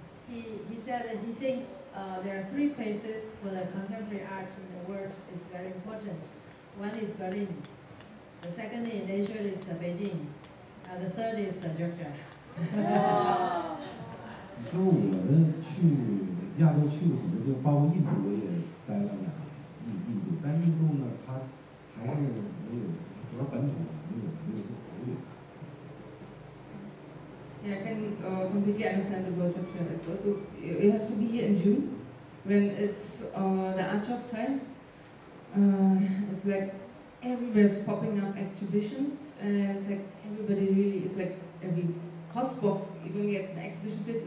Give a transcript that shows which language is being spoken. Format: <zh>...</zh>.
<en>He said that he thinks there are three places for the contemporary art in the world is very important. One is Berlin. The second in Asia is Beijing. The third is Georgia. Wow.</en> <zh>你说我们去亚洲去了很多地方，包括印度我也待了两年，印度，但印度呢，它还是没有主要本土，没有特别。</zh> <en>Yeah, can completely understand about Georgia. It's also you have to be here in June when it's the art shop time. It's like everywhere's popping up exhibitions and like everybody really is like every post box even gets an exhibition place.</en>